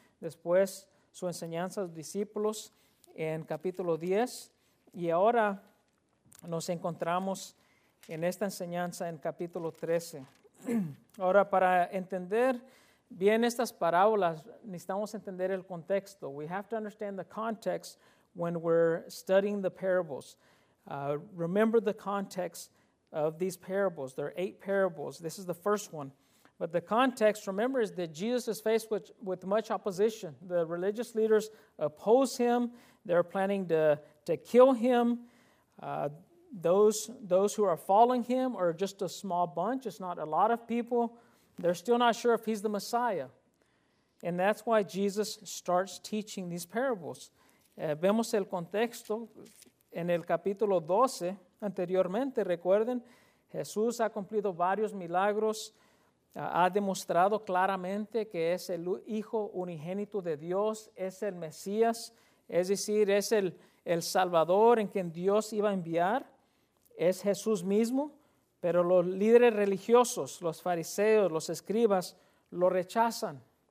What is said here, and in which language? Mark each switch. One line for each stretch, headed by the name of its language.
Spanish: Después su enseñanza a los discípulos en capítulo 10. Y ahora nos encontramos en esta enseñanza en capítulo 13. Ahora, para entender bien estas parábolas, necesitamos entender el contexto.
English: We have to understand the context when we're studying the parables. Remember the context of these parables. There are 8 parables. This is the first one. But the context, remember, is that Jesus is faced with much opposition. The religious leaders oppose him. They're planning to kill him. Those who are following him are just a small bunch. It's not a lot of people. They're still not sure if he's the Messiah. And that's why Jesus starts teaching these parables.
Spanish: Vemos el contexto en el capítulo 12 anteriormente. Recuerden, Jesús ha cumplido varios milagros, ha demostrado claramente que es el Hijo unigénito de Dios, es el Mesías, es decir, es el Salvador en quien Dios iba a enviar, es Jesús mismo, pero los líderes religiosos, los fariseos, los escribas, lo rechazan.